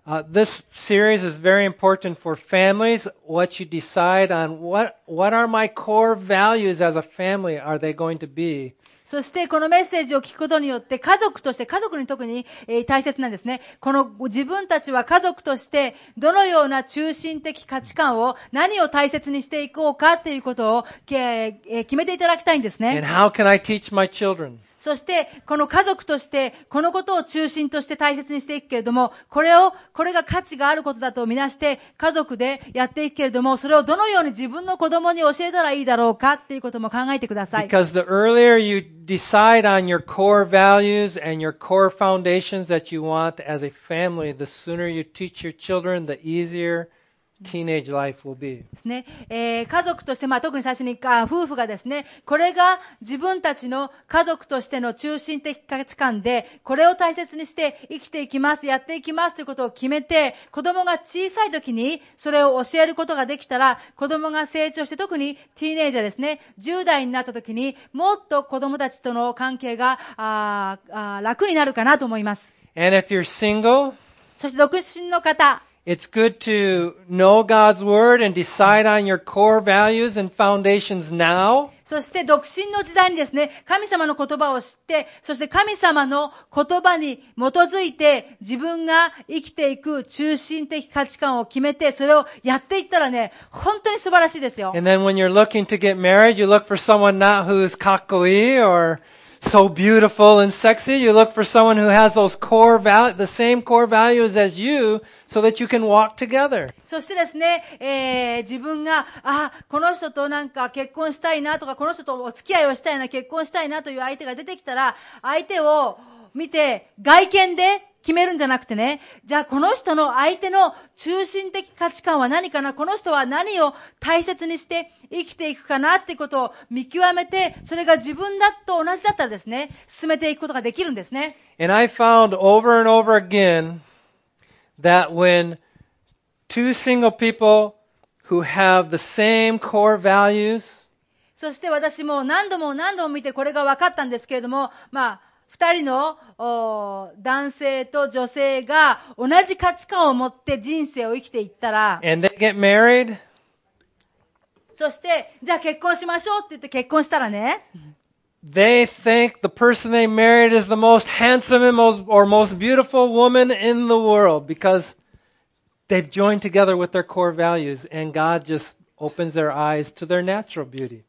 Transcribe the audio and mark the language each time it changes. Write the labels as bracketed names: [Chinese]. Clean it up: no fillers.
[English] This series is very important for families. What you decide on, what are my core values as a family are they going to be? [Japanese] そしてこのメッセージを聞くことによって家族として家族に特に大切なんですね。この自分たちは家族としてどのような中心的価値観を何を大切にしていこうかということを決めていただきたいんですね。 [English] And how can I teach my children? [Japanese] そしてこの家族としてこのことを中心として大切にしていくけれども、これが価値があることだとみなして家族でやっていくけれども、それをどのように自分の子供に教えたらいいだろうかっていうことも考えてください。 [English] Because the earlier you decide on your core values and your core foundations that you want as a family, the sooner you teach your children, the easierteenage life will be. [Japanese] ですね。家族として、まあ、特に最初に、夫婦がですね、これが自分たちの家族としての中心的価値観で、これを大切にして生きていきます、やっていきますということを決めて、子供が小さい時にそれを教えることができたら、子供が成長して、特にティーネイジャーですね、10代になった時に、もっと子供たちとの関係が、楽になるかなと思います。 [English] And if you're single, [Japanese] そして独身の方、 [English] It's good to know God's word and decide on your core values and foundations now. [Japanese] そして独身の時代にですね、神様の言葉を知って、そして神様の言葉に基づいて自分が生きていく中心的価値観を決めて、それをやっていったらね、本当に素晴らしいですよ。 [English] And then when you're looking to get married, you look for someone not who's [Japanese] かっこいい [English] or... So beautiful and sexy. You look for someone who has those core values, the same core values as you, so that you can walk together. [Japanese] そしてですね、自分が、この人となんか結婚したいなとか、この人とお付き合いをしたいな、結婚したいなという相手が出てきたら、相手を見て外見で決めるんじゃなくてね、じゃあこの人の相手の中心的価値観は何かな、この人は何を大切にして生きていくかなっていうことを見極めて、それが自分だと同じだったらですね、進めていくことができるんですね。 [English] And I found over and over again that when two single people who have the same core values、 [Japanese] そして私も何度も何度も見てこれが分かったんですけれども、まあ二人の男性と女性が同じ価値観を持って人生を生きていったら、 [English] And they get married. [Japanese] そしてじゃあ結婚しましょうって言って結婚したらね、 [English] They think the person they married is the most handsome and most, or most beautiful woman in the world because they've joined together with their core values and God justopens their eyes to their natural beauty.